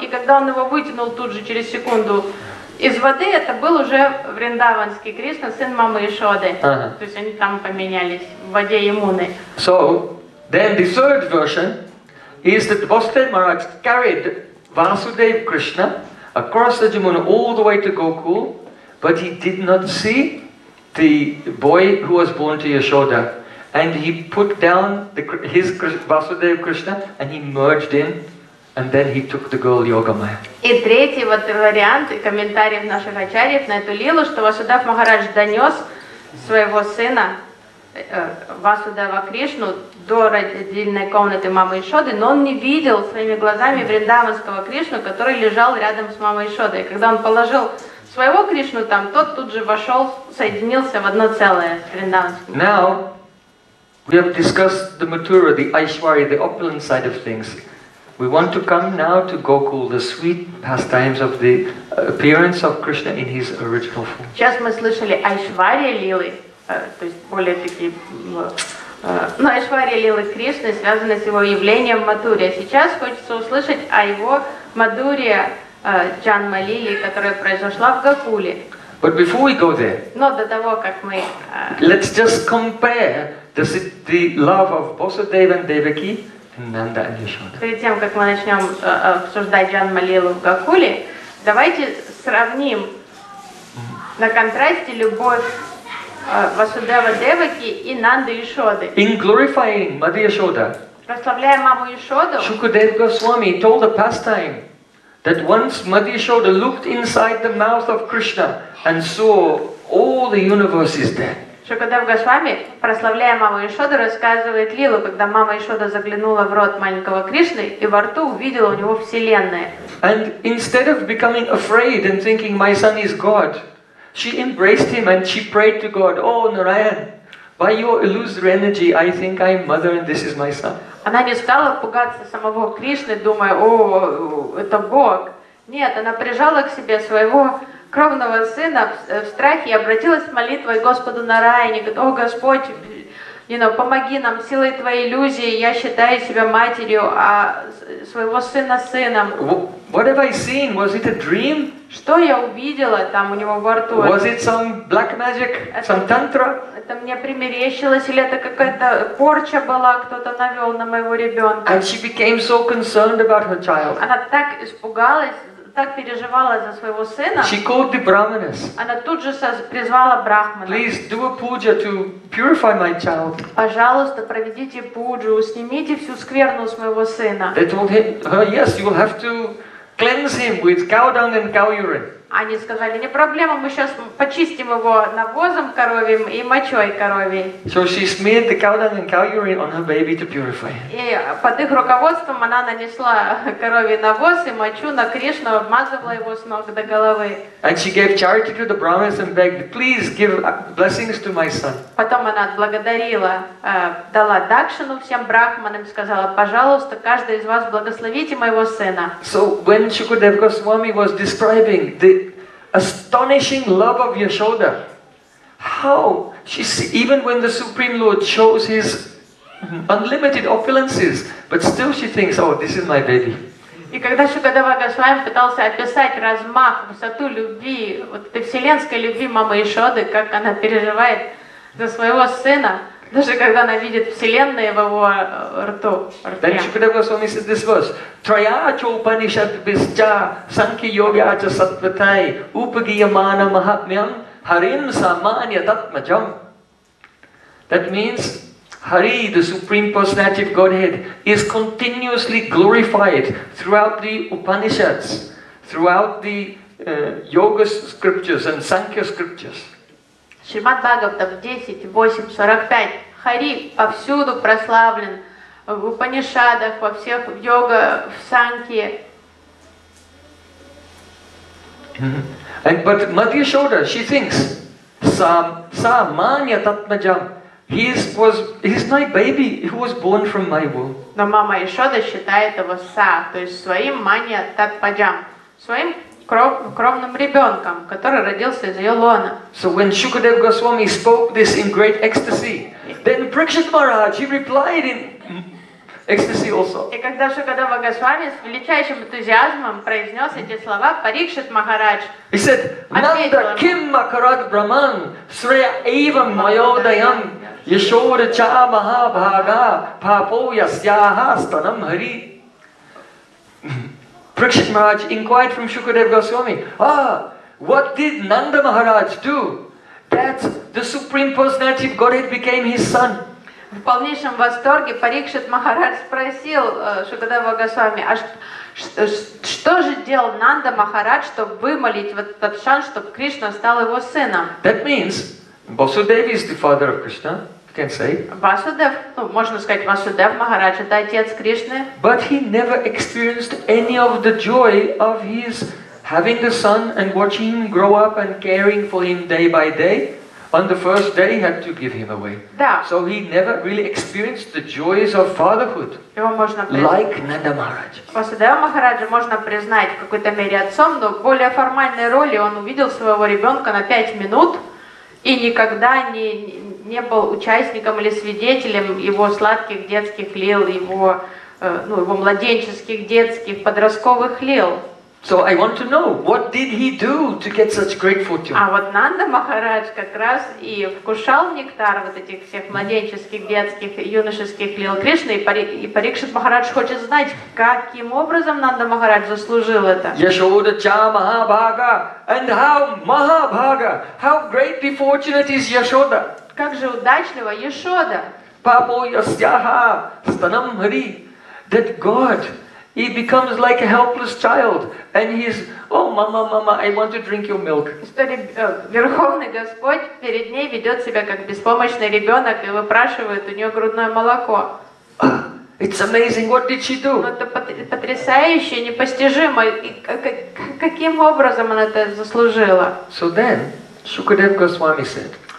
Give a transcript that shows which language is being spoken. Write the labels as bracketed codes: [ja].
[ru] И когда он его вытянул тут же через секунду из воды, это был уже Вриндаванский Кришна, сын мамы Ишоды. То есть они там поменялись в воде Ямуны. [en] So then the third version is that Basudev Maharaj carried Vasudev Krishna across the Jamuna all the way to Gokul. But he did not see the boy who was born to Yashoda, and he put down his Vasudev Krishna, and he merged in, and then he took the girl Yogamaya. [ru] И третий вот вариант и комментарий наших ачарьев на эту лилу, что Васудев Махарадж донес своего сына Васудева Кришну до родильной комнаты мамы Ишоды, но он не видел своими глазами Вриндаванского Кришну, который лежал рядом с мамой Ишодой. Когда он положил своего Кришну там, тот тут же вошел, соединился в одно целое с Вриндаванским. [en] Now we have discussed the Mathura, the Aishwarya, the opulent side of things. We want to come now to Gokul, the sweet pastimes of the appearance of Krishna in his original form. [ru] Сейчас мы слышали Айшварья лилы, то есть более такие. Но Айшварья лилы Кришны связаны с его явлением в Матуре. Сейчас хочется услышать о его Матуре Джанма лили, которая произошла в Гокуле. [en] But before we go there, [ru] но до того, как мы, [en] let's just compare the love of Basudev and Devaki and Nanda and Yashoda. [ru] Перед тем, как мы начнем обсуждать Джанма лилу в Гокуле, давайте сравним на контрасте любовь Васудева Деваки и Нанды Ишоды. [en] In glorifying Mother Yashoda, [ru] прославляя маму Ишоду, [en] Shukadev Goswami told a pastime that once Mother Yashoda looked inside the mouth of Krishna and saw all the universe is there. [ru] Shukadev Goswami, прославляя маму Ишоду, рассказывает лилу, когда мама Ишода заглянула в рот маленького Кришны и во рту увидела у него вселенную. [en] And instead of becoming afraid and thinking my son is God, she embraced him and she prayed to God, "Oh Narayan, by your illusory energy, I think I'm mother and this is my son." [ru] Она не стала пугаться самого Кришны, думая, "О, это Бог." Нет, она прижала к себе своего кровного сына в страхе и обратилась молитвой к Господу Нараяне, говорит, "О Господь, помоги нам силой твоей иллюзии. Я считаю себя матерью, а своего сына сыном." [en] What have I seen? Was it a dream? [ru] Что я увидела там у него во рту? [en] Was it some black magic? Some tantra? [ru] Это мне примерещилось, или это какая-то порча была, кто-то навел на моего ребенка? [en] And she became so concerned about her child. [ru] Она так испугалась, так переживала за своего сына. [en] She called the brahmanas. [ru] Она тут же призвала брахмана. [en] Please do a puja to purify my child. [ru] Пожалуйста, проведите пуджу, снимите всю скверну с моего сына. [en] They told her, yes, you will have to cleanse him with cow dung and cow urine. [ru] Они сказали, не проблема, мы сейчас почистим его навозом коровьим и мочой коровьей. [en] So she smeared the cow dung and cow urine on her baby to purify him. [ru] И под их руководством она нанесла коровий навоз и мочу на Кришну, обмазывала его с ног до головы. [en] And she gave charity to the brahmins and begged, please give blessings to my son. [ru] Потом она отблагодарила, дала дакшину всем брахманам, сказала, пожалуйста, каждый из вас благословите моего сына. [en] So when Shukadev Goswami was describing the astonishing love of Yashoda, how she see, even when the Supreme Lord shows his unlimited opulences, but still she thinks, oh, this is my baby. [ru] И когда Шукадева Госвами пытался описать размах, высоту любви, вот этой вселенской любви мамы Ишоды, как она переживает за своего сына, даже когда она видит вселенную в его рту. [en] Then Shukadev Goswami said this verse: [sa] Trayacho Upanishad Vischa Sankhya Yogyacha Sattvatai Upagiyamana Mahatmyam Harim Samanya Tatmajam. [en] That means Hari, the Supreme Personality of Godhead, is continuously glorified throughout the Upanishads, throughout the Yoga scriptures and Sankhya scriptures. [ru] Шримад Бхагаватам 10.8.45. Хари повсюду прославлен, в Упанишадах, во всех йога, в Санкхе. [en] And but Madhya Yashoda, she thinks, [sa] sa manya tatmajam. [en] He's my baby. He was born from my womb. [ru] Но мама Ишода считает его са, то есть своим [sa] манья татпаджам, [ru] своим кровным ребенком, который родился из ее лона. [en] So when Shukadev Goswami spoke this in great ecstasy, then Prakshit Maharaj he replied in ecstasy also. [ru] И когда Шукадева Госвами с величайшим энтузиазмом произнес эти слова, Парикшит Махарадж ответил. [en] He said, [sa] Нанда Ким Макарад Браман Срея Эйвам Майодаям Yashoda cha mahabhaga papo yasyaha stanam hari. [en] Prakshit Maharaj inquired from Shukadev Goswami, ah, what did Nanda Maharaj do? That the Supreme Personality of Godhead became his son. [ru] В полнейшем восторге Парикшит Махарадж спросил Шукадева Госвами, а что же делал Нанда Махарадж, чтобы вымолить вот этот шанс, чтобы Кришна стал его сыном? [en] That means Vasudev is the father of Krishna. Can say. [ru] Vasudev, ну, можно сказать, Vasudev Maharaj, это отец Кришны. [en] But he never experienced any of the joy of his having a son and watching him grow up and caring for him day by day. On the first day, he had to give him away. [ru] Да. [en] So he never really experienced the joys of fatherhood. [ru] Его можно [en] like Nanda Maharaj. [ru] Vasudev Maharaj можно признать в какой-то мере отцом, но в более формальной роли он увидел своего ребенка на 5 минут. И никогда не был участником или свидетелем его сладких детских лил, его младенческих детских подростковых лил. [en] So I want to know, what did he do to get such great fortune? [ru] А вот Нанда Махарадж как раз и вкушал нектар вот этих всех младенческих детских юношеских лил Кришны, и Парикшит Махарадж хочет знать, каким образом Нанда Махарадж заслужил это. [sa] Yashoda cha mahabhaga, [en] and how mahabhaga, how great the fortune is Yashoda. [ru] Как же удачливо Yashoda. [sa] Papo yasyaha stanam hari, [en] that God. He becomes like a helpless child, and he's, oh, mama, mama, I want to drink your milk. [ru] Верховный Господь перед ней ведет себя как беспомощный ребенок и выпрашивает у нее грудное молоко. [en] It's amazing. What did she do? [ru] Это потрясающе, непостижимо. Каким образом она это заслужила? [en] So then, Shukadev Goswami said.